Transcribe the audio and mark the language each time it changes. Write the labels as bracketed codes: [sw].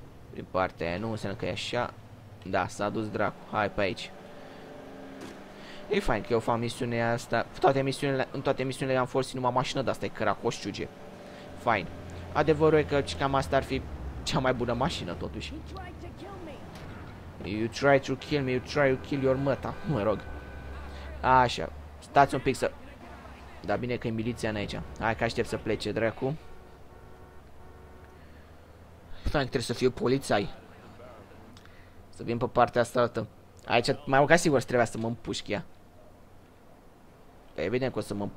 [ro] Prin partea aia, nu înseamnă că e așa. Da, s-a dus dracu, hai pe aici. E fain că eu fac misiunea asta. În toate misiunile am fost numai mașină, dar asta e Cracoșciuge. Fain. Adevărul e că cam asta ar fi cea mai bună mașină, totuși. [en] You try to kill me, you try to kill your mother. [ro] Mă rog. Așa. Stați un pic să... Dar bine că e miliția în aici. Hai că aștept să plece, dracu. Fain că trebuie să fiu polițai. Să vin pe partea asta altă. Aici mai au sigur să trebuia să mă împușc ea. Evident că o să mă...